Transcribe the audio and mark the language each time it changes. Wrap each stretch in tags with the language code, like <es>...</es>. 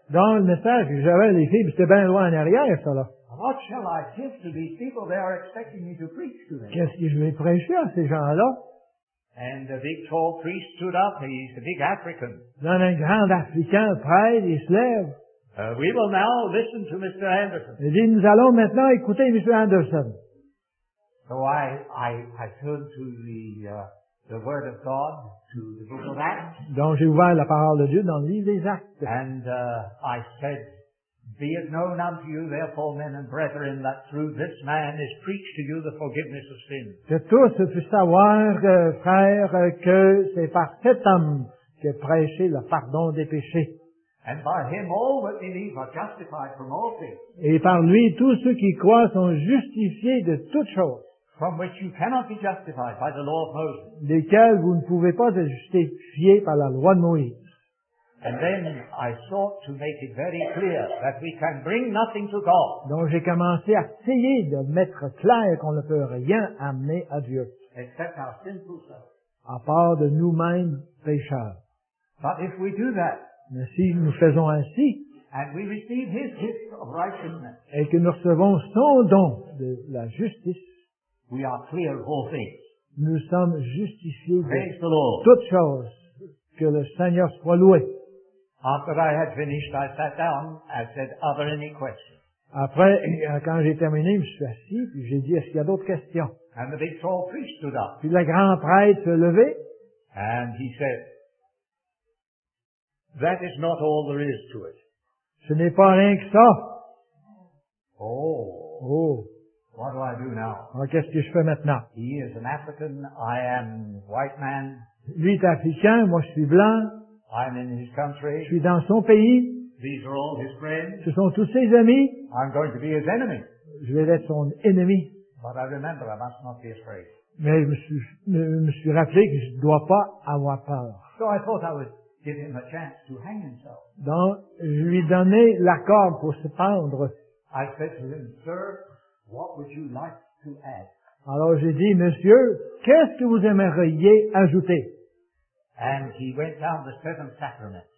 <fr>Dans le message que j'avais les filles, c'était bien loin en arrière, ça là.</fr> <en>What shall I give to these people? They are expecting me to preach to them.</en> <fr>Qu'est-ce que je vais prêcher à ces gens-là?</fr> <en>And the big tall priest stood up. He's a big African.</en> <fr>Dans un grand Africain, le prêtre, il se lève.</fr> <en>We will now listen to Mr. Anderson.</en> <fr>Il dit, nous allons maintenant écouter Mr. Anderson.</fr> <en>So I turned to the Word of God, to the Book of Acts.</en> <fr>Donc j'ai ouvert la parole de Dieu dans le livre des Actes.</fr> <en>And I said, be it known unto you, therefore, men and brethren, that through this man is preached to you the forgiveness of sins.</en> <fr>Que tous puissent savoir, frères, que c'est par cet homme que prêché le pardon des péchés.</fr> <en>And by him all that believe are justified from all things.</en> <fr>Et par lui, tous ceux qui croient sont justifiés de toutes choses.</fr> <en>From which you cannot be justified by the law of Moses.</en> <fr>Desquels vous ne pouvez pas être justifiés par la loi de Moïse.</fr> <en>And then I sought to make it very clear that we can bring nothing to God.</en> <fr>Donc j'ai commencé à essayer de mettre clair qu'on ne peut rien amener à Dieu.</fr> <en>Except our sinful self.</en> <fr>À part de nous-mêmes pécheurs.</fr> <en>But if we do that,</en> <fr>mais si nous faisons ainsi,</fr> <en>and we receive his gift of righteousness,</en> <fr>et que nous recevons son don de la justice,</fr> <en>we are clear of all things.</en> <fr>Nous sommes justifiés de toutes choses. Que le Seigneur soit loué.</fr> <en>After I had finished, I sat down and said, are there any questions?</en> <fr>Après, quand j'ai terminé, je me suis assis puis j'ai dit, est-ce qu'il y a d'autres questions?</fr> <en>And the big tall priest stood up.</en> <fr>Puis le grand prêtre s'est levé.</fr> <en>And he said, that is not all there is to it.</en> <fr>Ce n'est pas rien que ça. Oh. Oh.</fr> <en>What do I do now?</en> <fr>Alors, qu'est-ce que je fais maintenant?</fr> <en>He is an African, I am white man.</en> <fr>Lui est africain, moi je suis blanc.</fr> <en>I'm in his country.</en> <fr>Je suis dans son pays.</fr> <en>These are all his friends.</en> <fr>Ce sont tous ses amis.</fr> <en>I'm going to be his enemy.</en> <fr>Je vais être son ennemi.</fr> <en>But I remember I must not be afraid.</en> <fr>Mais je me suis rappelé que je ne dois pas avoir peur.</fr> <en>So I thought I would give him a chance to hang himself.</en> <fr>Donc, je lui ai donné la corde pour se pendre.</fr> <en>I said to him, sir, what would you like to add?</en> <fr>Alors j'ai dit, monsieur, qu'est-ce que vous aimeriez ajouter?</fr> <en>And he went down the seven sacraments.</en>